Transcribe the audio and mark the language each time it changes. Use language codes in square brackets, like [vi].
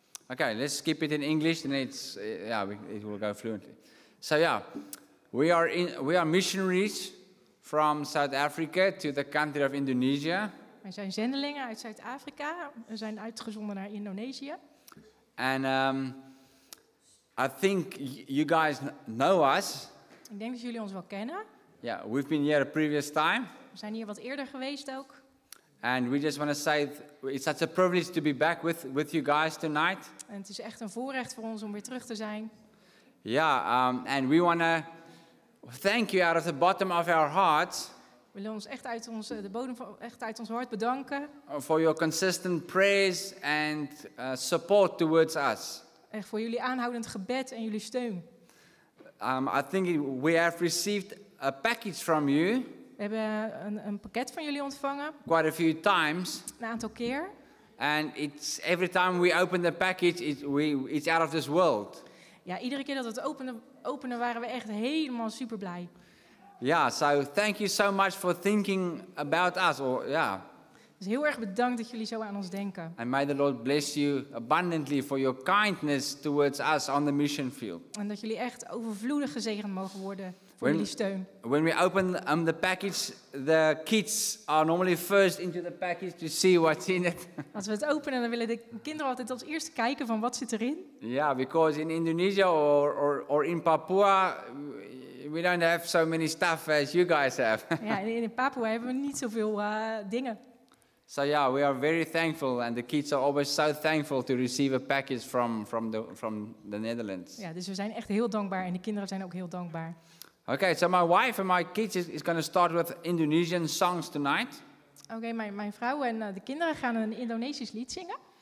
[en] Okay, let's keep it in English, and it will go fluently. So yeah, we are missionaries from South Africa to the country of Indonesia. [nl] We zijn zendelingen uit Zuid-Afrika. We zijn uitgezonden naar Indonesië. [en] And I think you guys know us. [nl] Ik denk dat jullie ons wel kennen. [en] Yeah, we've been here a previous time. [nl] We zijn hier wat eerder geweest ook. [en] And we just want to say it's such a privilege to be back with you guys tonight. [nl] En het is echt een voorrecht voor ons om weer terug te zijn. [en] Yeah, and we want to thank you out of the bottom of our hearts. [nl] We willen ons echt uit ons de bodem van echt uit ons hart bedanken. [en] For your consistent prayers and support towards us. [nl] Echt voor jullie aanhoudend gebed en jullie steun. [en] I think we have received a package from you. [nl] We hebben een pakket van jullie ontvangen. [en] Quite a few times. [nl] Een aantal keer. [en] And it's every time we open the package, it's out of this world. [nl] Ja, iedere keer dat we het openen waren we echt helemaal super blij. [en] Yeah, so thank you so much for thinking about us. [nl] Dus heel erg bedankt dat jullie zo aan ons denken. [en] And may the Lord bless you abundantly for your kindness towards us on the mission field. [nl] En dat jullie echt overvloedig gezegend mogen worden. Voor jullie steun. [en] When we open the package, the kids are normally first into the package to see what's in it. [nl] Als we het openen, dan willen de kinderen altijd als eerste kijken van wat zit erin. [en] Yeah, because in Indonesia or in Papua, we don't have so many stuff as you guys have. [nl] Ja, in Papua hebben we niet zoveel dingen. [en] So yeah, we are very thankful, and the kids are always so thankful to receive a package from the Netherlands. [nl] Ja, dus we zijn echt heel dankbaar, en de kinderen zijn ook heel dankbaar. [en] Okay, so my wife and my kids is going to start with Indonesian songs tonight. [nl] Okay, mijn vrouw en de kinderen gaan een Indonesisch lied zingen.